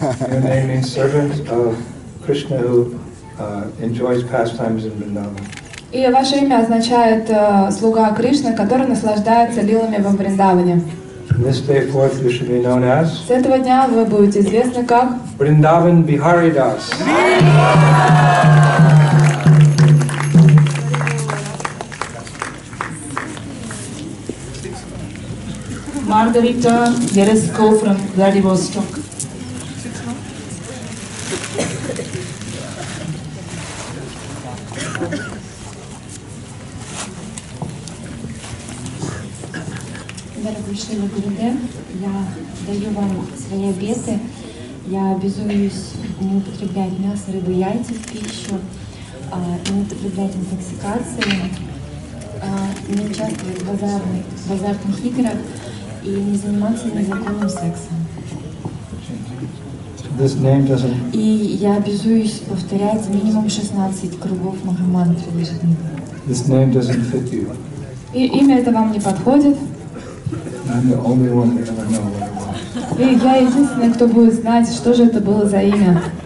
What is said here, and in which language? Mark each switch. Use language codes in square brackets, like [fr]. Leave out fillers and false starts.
[en] Your name means servant of Krishna who enjoys pastimes in Vrindavan. [ru] И ваше имя означает слуга Кришны, который наслаждается лилами во Вриндаване. [en] This day forth you should be known as... [ru] С этого дня вы будете известны как... [en] Vrindavan Bihari Das. Margarita Gerasko from Vladivostok. [ru] Шрила Гурудев, я даю вам свои обеты. Я обязуюсь не употреблять мясо, рыбу, яйца в пищу, не употреблять интоксикации, не участвовать в базарных играх и не заниматься незаконным сексом. [en] This name doesn't... [ru] И я обязуюсь повторять минимум 16 кругов Махамантры ежедневно. [en] This name doesn't fit you. [ru] И имя это вам не подходит. [en] I'm the only one that ever know what it was. И я единственный, кто будет знать, что же это было за имя.